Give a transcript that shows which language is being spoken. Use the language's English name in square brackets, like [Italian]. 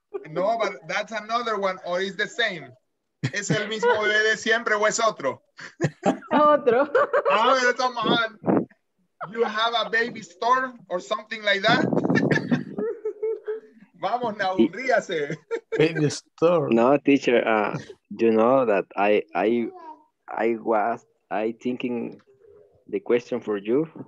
[English] No, but that's another one, or it's the same. [Spanish] ¿Es el mismo bebé de siempre o es otro? Otro. [English] Oh, come on. You have a baby storm or something like that? [Spanish] Vamos, now, ríase. [English] Baby storm. No, teacher, you know that I was thinking the question for you.